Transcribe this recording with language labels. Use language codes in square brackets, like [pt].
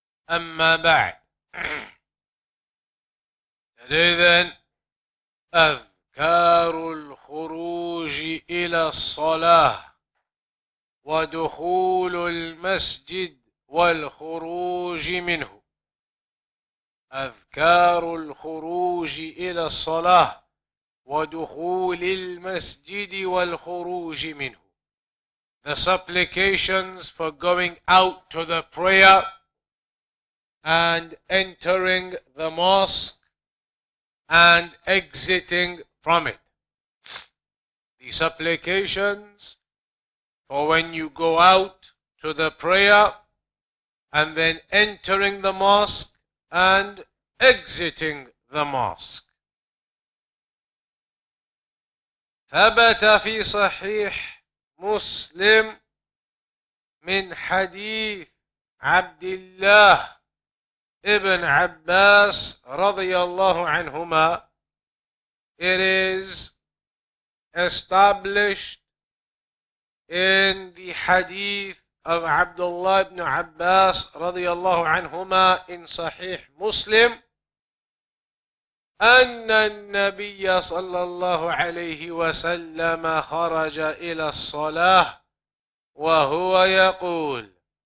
[ar] أما بعد، إذن أذكار الخروج إلى الصلاة ودخول المسجد والخروج منه. أذكار الخروج إلى الصلاة ودخول المسجد والخروج منه. [en] The supplications for going out to the prayer and entering the mosque and exiting from it. The supplications for when you go out to the prayer and then entering the mosque and exiting the mosque. [ar] ثبت في صحيح مسلم من حديث عبد الله ابن عباس رضي الله عنهما. [en] It is established in the hadith of Abdullah ibn Abbas [ar] رضي الله عنهما [en] in Sahih Muslim [ar] أن النبي صلى الله عليه وسلم خرج إلى الصلاة وهو يقول.